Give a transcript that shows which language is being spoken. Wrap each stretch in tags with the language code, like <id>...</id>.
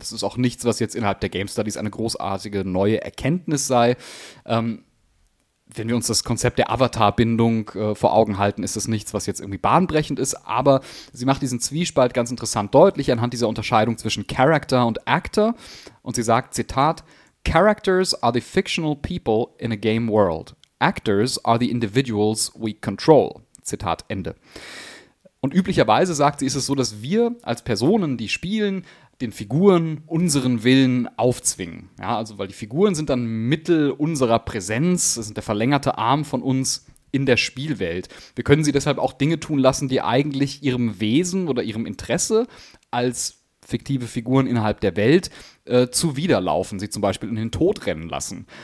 <de>Das ist auch nichts, was jetzt innerhalb der Game Studies eine großartige neue Erkenntnis sei. Wenn wir uns das Konzept der Avatar-Bindung vor Augen halten, ist das nichts, was jetzt irgendwie bahnbrechend ist. Aber sie macht diesen Zwiespalt ganz interessant deutlich anhand dieser Unterscheidung zwischen Character und Actor. Und sie sagt, Zitat,</de> <en>Characters are the fictional people in a game world. Actors are the individuals we control.</en> <de>Zitat Ende. Und üblicherweise, sagt sie, ist es so, dass wir als Personen, die spielen, den Figuren unseren Willen aufzwingen. Ja, also weil die Figuren sind dann Mittel unserer Präsenz, sind der verlängerte Arm von uns in der Spielwelt. Wir können sie deshalb auch Dinge tun lassen, die eigentlich ihrem Wesen oder ihrem Interesse als fiktive Figuren innerhalb der Welt zuwiderlaufen, sie zum Beispiel in den Tod rennen lassen.</de>